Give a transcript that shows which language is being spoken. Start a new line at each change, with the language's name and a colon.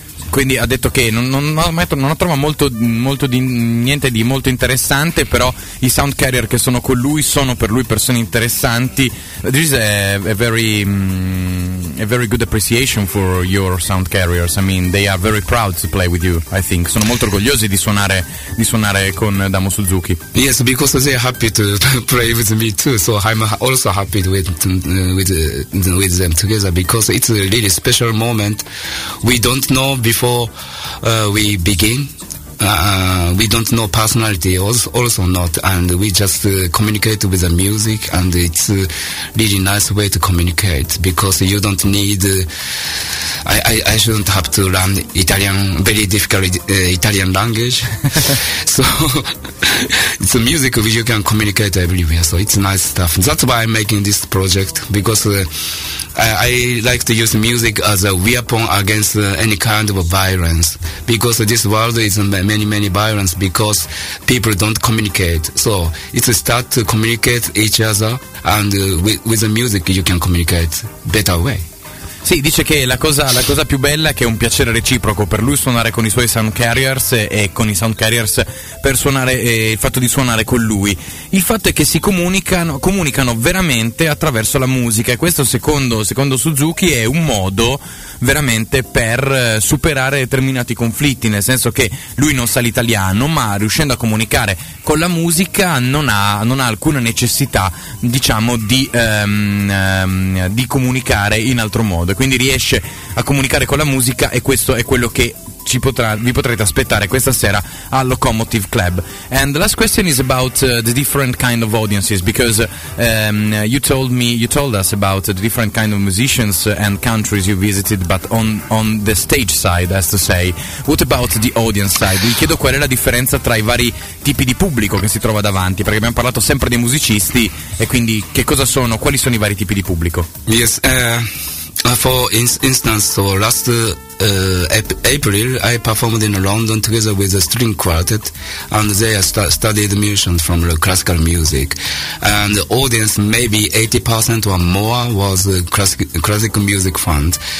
Italian: Quindi ha detto che non ha trovato molto di niente di molto interessante, però i sound carrier che sono con lui sono per lui persone interessanti.
English: This is a very good appreciation for your sound carriers. I mean, they are very proud to play with you, I think.
Italian: Sono molto orgogliosi di suonare con Adamo Suzuki.
English: Yes, because they are happy to play with me too, so I'm also happy with them together, because it's a really special moment. We don't know before we begin, we don't know personality also not, and we just communicate with the music, and it's a really nice way to communicate, because you don't need I shouldn't have to learn Italian, very difficult Italian language. So it's a music which you can communicate everywhere, so it's nice stuff. That's why I'm making this project, because I like to use music as a weapon against any kind of violence, because this world is many violence, because people don't communicate. So it's a start to communicate each other, and with the music you can communicate better way.
Italian: Sì, dice che la cosa più bella è che è un piacere reciproco per lui suonare con i suoi sound carriers e con i sound carriers per suonare, il fatto di suonare con lui. Il fatto è che si comunicano veramente attraverso la musica, e questo secondo Suzuki è un modo veramente per superare determinati conflitti, nel senso che lui non sa l'italiano, ma riuscendo a comunicare con la musica non ha alcuna necessità, diciamo, di comunicare in altro modo. Quindi riesce a comunicare con la musica, e questo è quello che ci potrà, vi potrete aspettare questa sera al Locomotive Club.
English: And the last question is about the different kind of audiences, because you told us about the different kind of musicians and countries you visited, but on the stage side, as to say, what about the audience side?
Italian: Vi chiedo qual è la differenza tra i vari tipi di pubblico che si trova davanti, perché abbiamo parlato sempre dei musicisti, e quindi che cosa sono, quali sono i vari tipi di pubblico?
English: Yes, for instance, so last April, I performed in London together with a string quartet, and they studied musicians from classical music. And the audience, maybe 80% or more, was classical music fans.